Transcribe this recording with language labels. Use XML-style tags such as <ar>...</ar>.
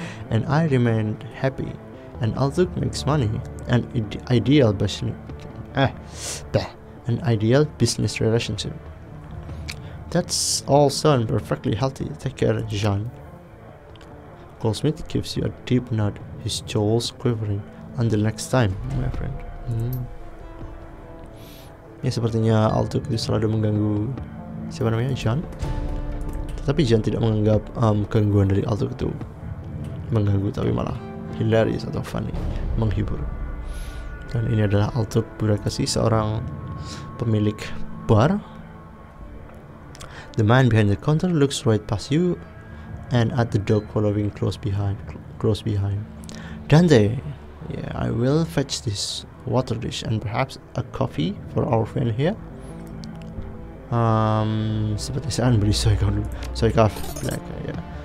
<en>And I remained happy, and Altug makes money, an ideal business relationship. That's all sound perfectly healthy. Take care, Jean. Goldsmith gives you a deep nod, his jaws quivering. Until next time, my friend.</en> <id>Ya, sepertinya Altug itu selalu mengganggu siapa namanya, Jean. Tetapi Jean tidak menganggap gangguan dari Altug itu mengganggu, tapi malah hilarious atau funny, menghibur. Dan ini adalah Altug Burakgazi, seorang pemilik bar.</id> <en>The man behind the counter looks right past you and at the dog following close behind. Dante, yeah, I will fetch this water dish and perhaps a coffee for our friend here.</en> <id>Seperti saya beli soy kalu, soy kaf, like, yeah.</id>